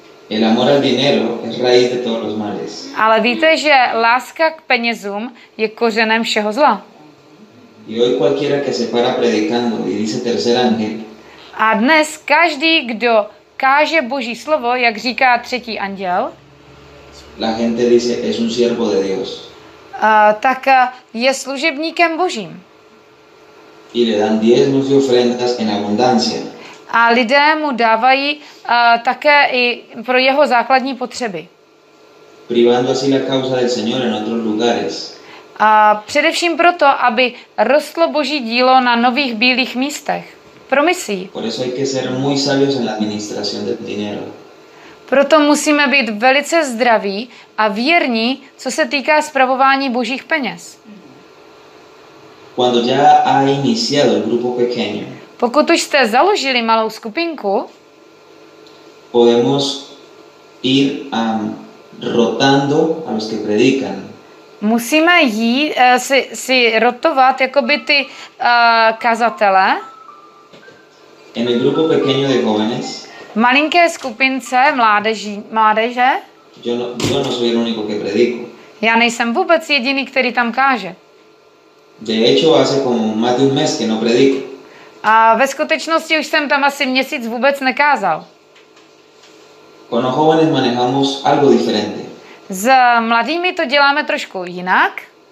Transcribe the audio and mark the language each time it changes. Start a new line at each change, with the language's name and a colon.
Spanish: El amor al dinero es raíz de todos los males.
Czech: Ale víte, že láska k penězům je kořenem všeho zla.
Spanish: Y hoy cualquiera que se para predicando y dice tercer ángel.
Czech: A dnes každý, kdo káže Boží slovo, jak říká třetí anděl,
Spanish: la gente dice es un siervo de Dios.
Czech: Tak je služebníkem Božím.
Spanish: Y le dan diezmos y ofrendas en abundancia.
Czech: A lidé mu dávají také i pro jeho základní potřeby.
Spanish: Privando así la causa del Señor en otros lugares.
Czech: A především proto, aby rostlo Boží dílo na nových bílých místech. Pro misií.
Spanish: Por eso hay que ser muy sabios en la administración del dinero.
Czech: Proto musíme být velice zdraví a věrní, co se týká spravování Božích peněz.
Spanish: Cuando ya ha iniciado el grupo pequeño,
Czech: pokud už jste založili malou skupinku,
Spanish: podemos ir rotando a los que predican.
Czech: Musíme jít si rotovat jakoby ty kazatele.
Spanish: En el grupo pequeño de jóvenes.
Czech: Malinké skupince mládeže.
Spanish: Yo no soy el único que predico.
Czech: Já nejsem vůbec jediný, který tam káže.
Spanish: De hecho, hace como más de un mes que no predico.
Czech: A ve skutečnosti už jsem tam asi měsíc vůbec nekázal.
Spanish: Con los jóvenes manejamos algo diferente.
Czech: S mladými to děláme trošku jinak.